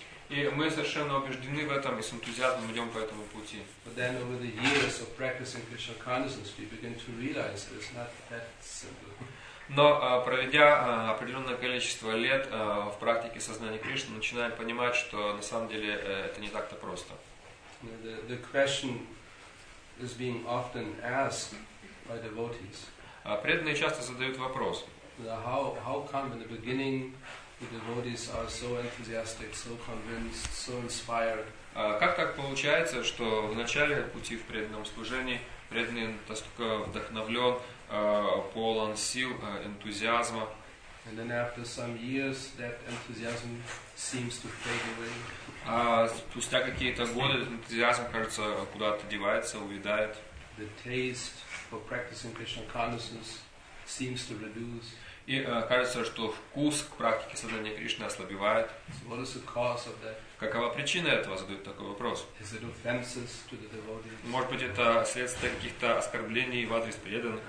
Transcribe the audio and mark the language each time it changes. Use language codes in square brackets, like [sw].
[ru] И мы совершенно убеждены в этом и с энтузиазмом идем по этому пути. [en] Then, [ru] Но проведя определенное количество лет в практике сознания Кришны, начинаем понимать, что на самом деле это не так-то просто. [en] The question is being often asked by devotees. [ru] Преданные часто задают вопрос. [en] How come in the beginning the devotees are so enthusiastic, so convinced, so inspired? [ru] Как так получается, что в начале пути в преданном служении преданный настолько вдохновлен, полон сил, энтузиазма? [en] And then after some years that enthusiasm seems to fade away. [ru] А спустя какие-то годы энтузиазм, кажется, куда-то девается, увядает. [en] The taste for practicing Krishna consciousness seems to reduce. [ru] И кажется, что вкус к практике сознания Кришны ослабевает. [en] So what is the cause of that? [ru] Какова причина этого? Задают такой вопрос. [en] Is it offenses to the devotees? [ru] Может быть, это следствие каких-то оскорблений в адрес преданных?